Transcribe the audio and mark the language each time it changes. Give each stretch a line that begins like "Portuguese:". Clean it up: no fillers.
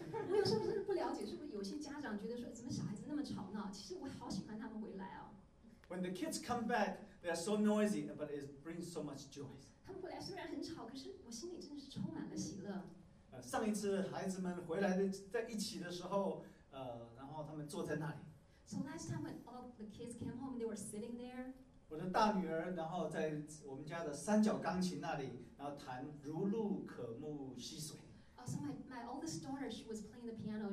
Chinese: 我有时候真的不了解，是不是有些家长觉得说，怎么小孩子那么吵闹？其实我好喜欢他们回来哦。
English: When the kids come back, they are so noisy, but it brings so much joy.
Chinese: 他们回来虽然很吵，可是我心里真的是充满了喜乐。上一次孩子们回来的在一起的时候，然后他们坐在那里。
English: So last time when all the kids came home, they were sitting there.
Chinese: 我的大女儿然后在我们家的三角钢琴那里然后弹如露可慕溪水。
English: So my oldest daughter, she was playing the piano.